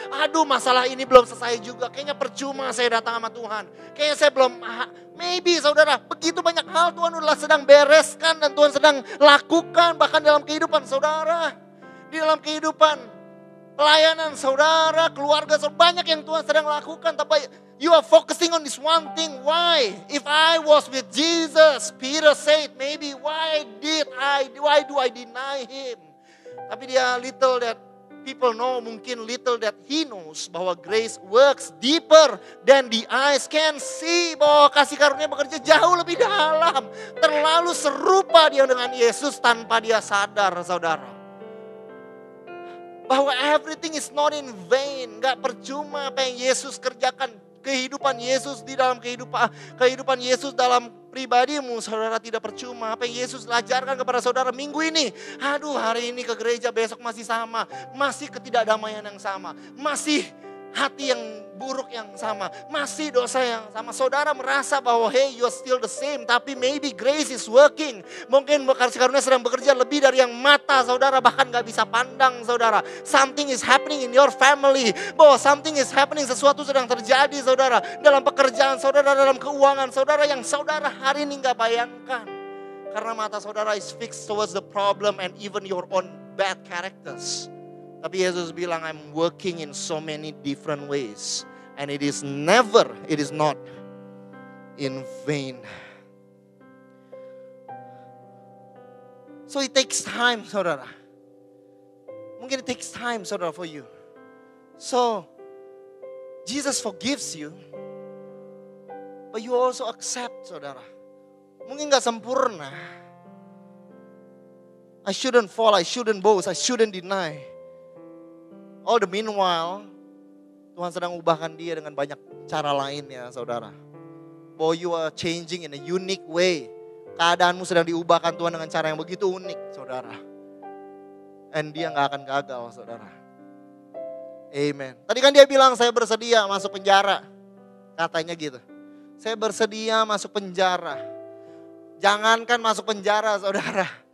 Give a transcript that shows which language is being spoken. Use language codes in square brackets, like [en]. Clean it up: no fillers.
[id] Aduh, masalah ini belum selesai juga. Kayaknya percuma saya datang sama Tuhan. Kayaknya saya belum. Maybe saudara. Begitu banyak hal Tuhan sudah sedang bereskan. Dan Tuhan sedang lakukan. Bahkan dalam kehidupan saudara. Di dalam kehidupan pelayanan saudara, keluarga saudara, banyak yang Tuhan sedang lakukan. [en] Tapi you are focusing on this one thing. Why? If I was with Jesus, Peter said, maybe why do I deny him? [id] Tapi dia [en] little that people know, mungkin little that he knows, bahwa grace works deeper than the eyes can see. [id] Bahwa kasih karunia bekerja jauh lebih dalam. Terlalu serupa dia dengan Yesus tanpa dia sadar, saudara. Bahwa [en] everything is not in vain. [id] Gak percuma apa yang Yesus kerjakan. Kehidupan Yesus di dalam kehidupan, kehidupan Yesus dalam pribadimu, saudara, tidak percuma. Apa yang Yesus ajarkan kepada saudara minggu ini, aduh, hari ini ke gereja, besok masih sama, masih ketidakdamaian yang sama, masih hati yang buruk yang sama, masih dosa yang sama. Saudara merasa bahwa hey, [en] you're still the same, tapi maybe grace is working. [id] Mungkin kasih karunia sedang bekerja lebih dari yang mata saudara bahkan gak bisa pandang, saudara. [en] Something is happening in your family. [id] Bahwa [en] something is happening, [id] sesuatu sedang terjadi, saudara, dalam pekerjaan saudara, dalam keuangan saudara, yang saudara hari ini gak bayangkan. Karena mata saudara [en] is fixed towards the problem and even your own bad characters. [id] Tapi Yesus bilang, [en] I'm working in so many different ways. And it is not in vain. So it takes time, saudara. Mungkin it takes time, saudara, for you. So, Jesus forgives you. But you also accept, saudara. [id] Mungkin gak sempurna. [en] I shouldn't fall, I shouldn't boast, I shouldn't deny. All the meanwhile, [id] Tuhan sedang ubahkan dia dengan banyak cara lain, ya saudara. [en] For you are changing in a unique way. [id] Keadaanmu sedang diubahkan Tuhan dengan cara yang begitu unik, saudara. And dia gak akan gagal, saudara. Amen. Tadi kan dia bilang, saya bersedia masuk penjara. Katanya gitu. Saya bersedia masuk penjara. Jangankan masuk penjara, saudara.